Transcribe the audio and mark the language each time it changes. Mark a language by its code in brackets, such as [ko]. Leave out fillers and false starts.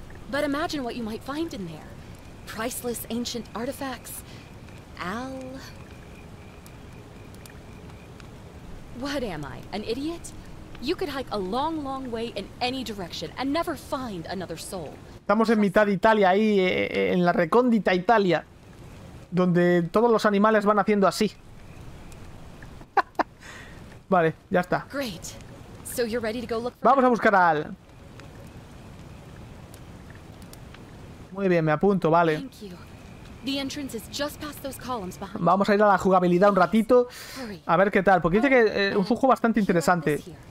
[en] But imagine what you might find in there. Priceless ancient artifacts. Al. What am I? An idiot? You could hike a long, long way in any direction and never find another soul. [es] Estamos en mitad de Italia ahí en la recóndita Italia. Donde todos los animales van haciendo así. Vale, ya está. [en] Great. So you're ready to go look for [es] Vamos a buscar a Al. Muy bien, me apunto, vale. [en] Thank you. The entrance is just past those columns behind. [es] Vamos a ir a la jugabilidad un ratito. A ver qué tal. Porque dice que es un juego bastante interesante.